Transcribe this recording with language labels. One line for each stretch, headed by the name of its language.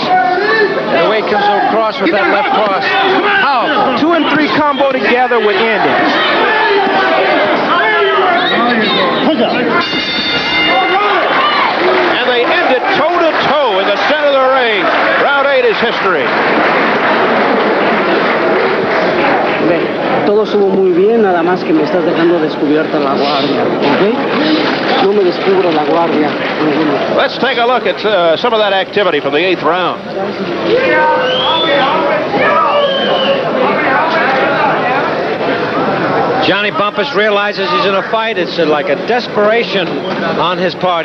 English: The way he comes across with that left cross. How? Two and three combo together with Andy. And they end it toe-to-toe in the center of the ring. Round eight is history.
Spanish: Todo estuvo muy bien, nada más que me estás dejando descubierta la guardia, ¿ok? No me descubro la guardia.
English: Let's take a look at some of that activity from the eighth round. Johnny Bumphus realizes he's in a fight. It's like a desperation on his part.